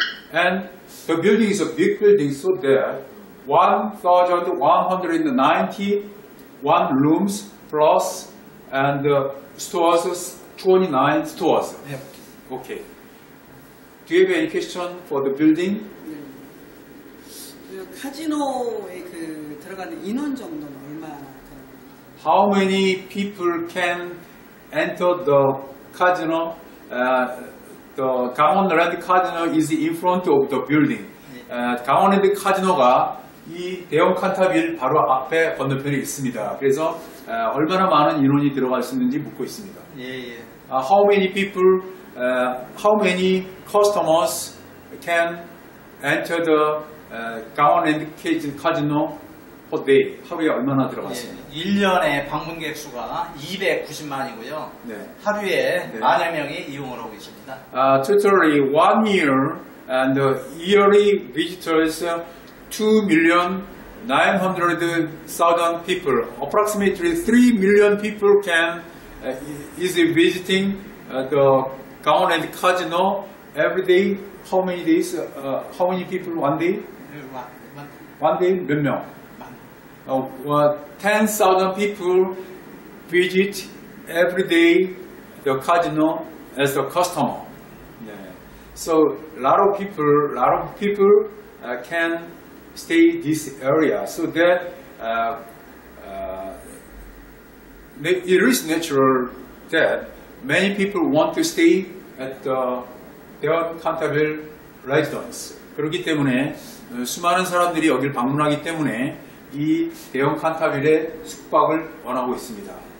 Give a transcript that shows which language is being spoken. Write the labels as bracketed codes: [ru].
[en] And the building is a big building, so there 1,191 rooms plus and stores, 29 stores. Okay. Do you have any question for the building? [ko] 카지노에 그 들어가는 인원 정도는 얼마나 [en] How many people can enter the casino? The Gangwon-land casino is in front of the building. [ko] Gangwon-land casino가 이 대형 칸탑을 바로 앞에 건너편에 있습니다. 그래서 얼마나 많은 인원이 들어갈 수 있는지 묻고 있습니다. 예. [en] How many people, how many customers can enter the Gangwon-land casino per day? [ko] 하루에 얼마나 들어갔습니까? 1년에 방문객 수가 290만이고요. 네. 하루에 네. 만여 명이 이용을 하고 계십니다. [en] Totally 1 year and yearly visitors 2,900,000 people. Approximately 3 million people is visiting the Gangwon-land casino every day. How many days? How many people one day? One day [ko] 몇 명? [en] 10,000 people visit every day the casino as a customer. So a lot of people can stay this area. So that it is natural that many people want to stay at their Canterville residence. [ko] 그렇기 때문에 수많은 사람들이 여기를 방문하기 때문에 이 대형 칸타빌의 숙박을 원하고 있습니다.